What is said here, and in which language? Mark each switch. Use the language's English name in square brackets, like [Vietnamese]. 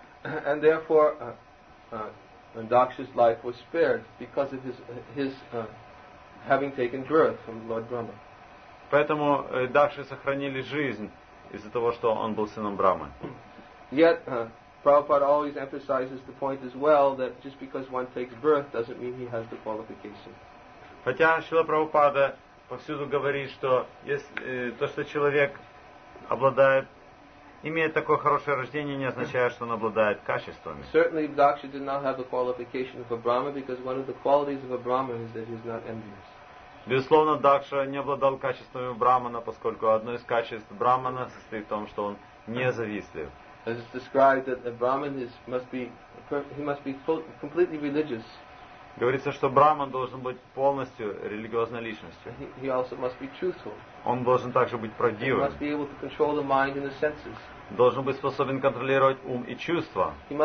[English] And therefore, and Дакша's life was spared because of his having taken birth from Lord Brahma. [Russian] Поэтому Дакши сохранили жизнь из-за того, что он был сыном Брахмы. [English] Yet, Prabhupada always emphasizes the point as well that just because one takes birth doesn't mean he has the qualification. [Russian] Хотя Шрила Прабхупада повсюду говорит, что если, то, что человек обладает, имеет такое хорошее рождение, не означает, что он обладает качествами. [English] Certainly, Daksha did not have the qualification of a Brahma because one of the qualities of a Brahma is that he is not envious. [Russian] Безусловно, Дакша не обладал качествами брахмана, поскольку одно из качеств брахмана состоит в том, что он независтлив. [English] As it's described that a brahman is must be he must be completely religious. [Russian] Говорится, что брахман должен быть полностью религиозной личностью. [English] He also must be truthful. [Russian] Он должен также быть правдивым. [English] He must be able to control the mind and the senses. [Russian] Должен быть способен контролировать ум и чувства.